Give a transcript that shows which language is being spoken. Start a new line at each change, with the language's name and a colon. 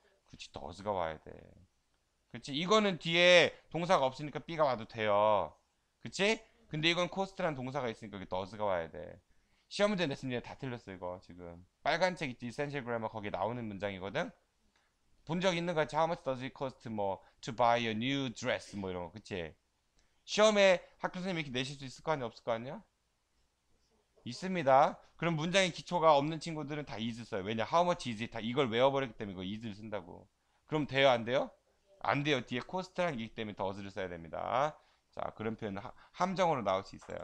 Korean: 그치, does가 와야 돼. 그치, 이거는 뒤에 동사가 없으니까 b가 와도 돼요. 그치? 근데 이건 cost라는 동사가 있으니까 여기 does가 와야 돼. 시험 문제 냈습니다. 다 틀렸어, 이거 지금. 빨간 책 있지, essential grammar 거기에 나오는 문장이거든? 본적 있는 거 같지?
English: How much does it cost, 뭐, to buy a new dress,
Korean: 뭐 이런 거, 그치? 시험에 학교 선생님이 이렇게 내실 수 있을 거 아니야, 없을 거 아니야? 있습니다. 그럼 문장의 기초가 없는 친구들은 다 is 써요. 왜냐?
English: How much is it?
Korean: 다 이걸 외워버렸기 때문에 이거 is를 쓴다고. 그럼 돼요? 안 돼요? 안 돼요. 뒤에 cost라는 게 있기 때문에 does를 써야 됩니다. 자, 그런 표현은 함정으로 나올 수 있어요.